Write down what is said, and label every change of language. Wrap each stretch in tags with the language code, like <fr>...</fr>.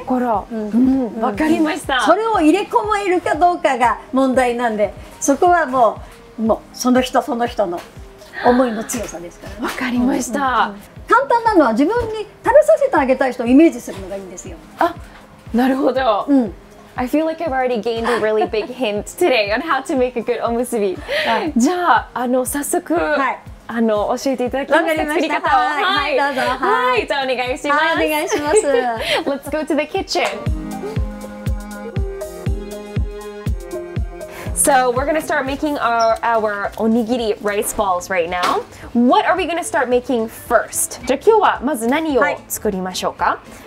<ja>心。うん。わかりました。それを入れ込めるかどうかが問題なんで、そこはもうその人その人の思いの強さですからね。わかりました、うんうん。簡単なのは自分に食べさせてあげたい人をイメージするのがいいんですよ。あ、なるほど。うん。</ja> <en>I feel like I've already gained a really big hint today on how to make a good omusubi.</en> <ja>じゃあ、早速、はい、教えていただきます。作り方を。はい、どうぞ。はい、じゃあお願いします。お願いします。</ja> <en>Let's go to the kitchen. So we're going to start making our onigiri rice balls right now. What are we going to start making first?</en> <ja>じゃあ今日はまず何を作りましょうか？</ja>